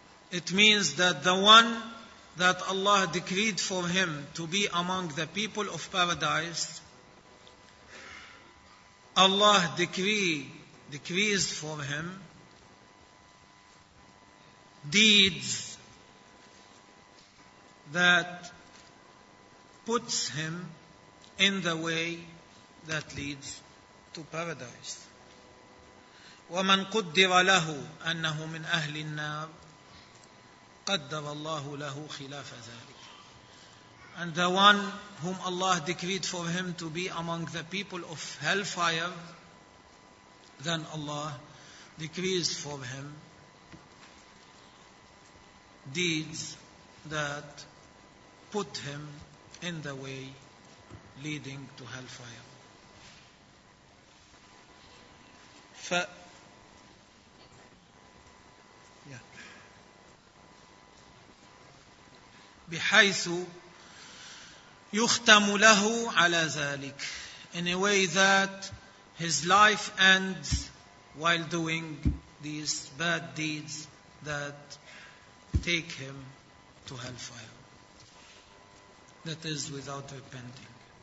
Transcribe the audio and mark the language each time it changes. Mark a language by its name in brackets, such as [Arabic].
[English] It means that the one that Allah decreed for him to be among the people of paradise, Allah decrees for him deeds that puts him in the way that leads to paradise. [Arabic] وَمَنْ قُدِّرَ لَهُ أَنَّهُ مِنْ أَهْلِ النَّارِ قدر الله له خلاف ذلك. [English] And the one whom Allah decreed for him to be among the people of hellfire, then Allah decrees for him deeds that put him in the way leading to hellfire. [Arabic] بحيث يختم له على ذلك. [English] In a way that his life ends while doing these bad deeds that take him to hellfire. That is without repenting.